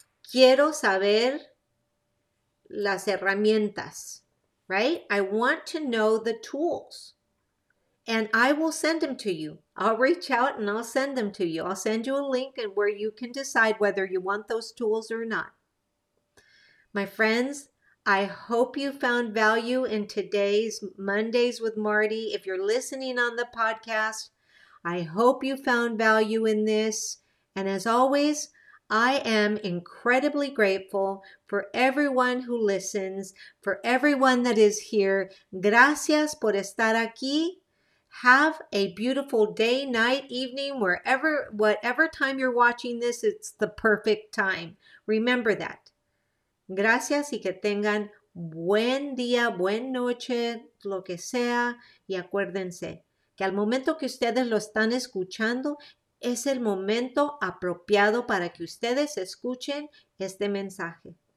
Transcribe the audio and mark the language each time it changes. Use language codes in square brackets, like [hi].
[es] Quiero saber las herramientas. [en] Right? I want to know the tools and I will send them to you. I'll reach out and I'll send them to you. I'll send you a link and where you can decide whether you want those tools or not. My friends, I hope you found value in today's Mondays with Marty. If you're listening on the podcast, I hope you found value in this. And as always, I am incredibly grateful for everyone who listens, for everyone that is here. [es] Gracias por estar aquí. [en] Have a beautiful day, night, evening, wherever, whatever time you're watching this, it's the perfect time. Remember that. [es] Gracias y que tengan buen día, buen noche, lo que sea. Y acuérdense que al momento que ustedes lo están escuchando, es el momento apropiado para que ustedes escuchen este mensaje.